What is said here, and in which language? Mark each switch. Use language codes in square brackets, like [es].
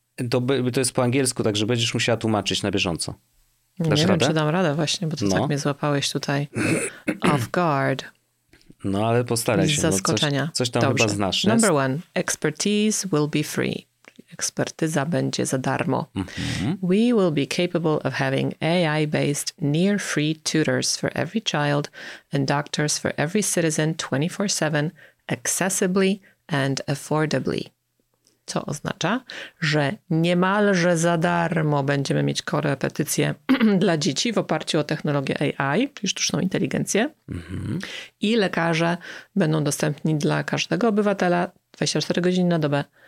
[pl] To jest po angielsku, także będziesz musiała tłumaczyć na bieżąco. Dasz nie radę? Wiem, czy dam radę właśnie, bo to no. Tak mnie złapałeś tutaj [en] off guard. [pl] No ale postaraj się. Zaskoczenia. No, coś tam dobrze. Chyba znasz. [en] Nie? Number one. Expertise will be free. [pl] Ekspertyza będzie za darmo. Mm-hmm. [en] We will be capable of having AI-based near-free tutors for every child and doctors for every citizen 24/7 accessibly and affordably. [pl] Co oznacza, że niemalże za darmo będziemy mieć korepetycje dla dzieci w oparciu o technologię AI, czyli sztuczną inteligencję. Mm-hmm. I lekarze będą dostępni dla każdego obywatela 24 godziny na dobę.